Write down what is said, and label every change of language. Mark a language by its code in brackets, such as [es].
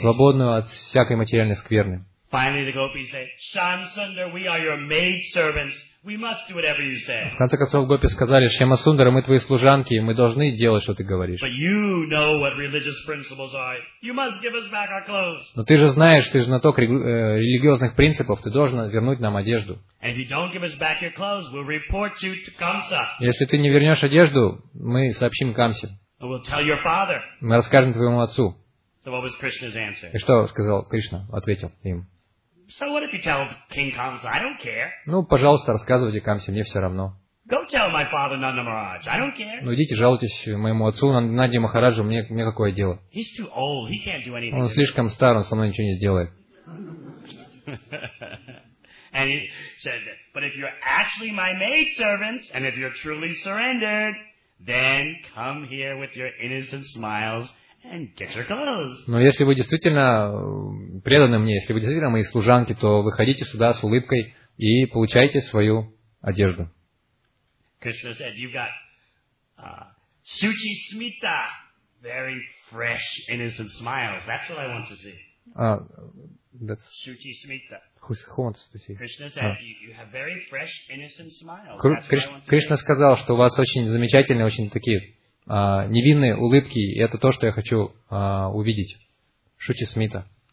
[ru] Свободную от всякой материальной скверны. [en] Finally, the gopis say, Shyamasundar, we are your maid servants. We must do whatever you say. [ru] В конце концов, гопи сказали, Шьямасундар, мы твои служанки, и мы должны делать, что ты говоришь. [en] But you know what religious principles are. You must give us back our clothes. [ru] Но ты же знаешь, ты же знаток религиозных принципов, ты должен вернуть нам одежду. [en] And if you don't give us back your clothes, we'll report you to Kamsa. [ru] Если ты не вернешь одежду, мы сообщим Камсе. [en] And we'll tell your father. [ru] Мы расскажем твоему отцу. [en] So what was Krishna's answer? [ru] И что сказал Кришна, ответил им. [en] So what if you tell King Kamsa? I don't care. [ru] Ну, пожалуйста, рассказывайте Камсе, мне все равно. [en] Go tell my father Nanda Maharaj. I don't care. [ru] Ну, идите, жалуйтесь моему отцу Нанди Махараджу, мне какое дело? [en] He's too old. He can't do anything. [ru] Он слишком стар, он со мной ничего не сделает. [en] And he said, but if you're actually my maid servants, and if you're truly surrendered, then come here with your innocent smiles. And get your clothes. [ru] Но если вы действительно преданы мне, если вы действительно мои служанки, то выходите сюда с улыбкой и получайте свою одежду. [en] Krishna said, you've got Suchi Smita, very fresh, innocent smiles. That's what I want to see. That's Suchi Smita. Who wants to see? Krishna said, you have very fresh, innocent smiles. Krishna [ru] сказал, что у вас очень замечательные, очень такие. Невинные улыбки, и это то, что я хочу увидеть. Шучи Смита.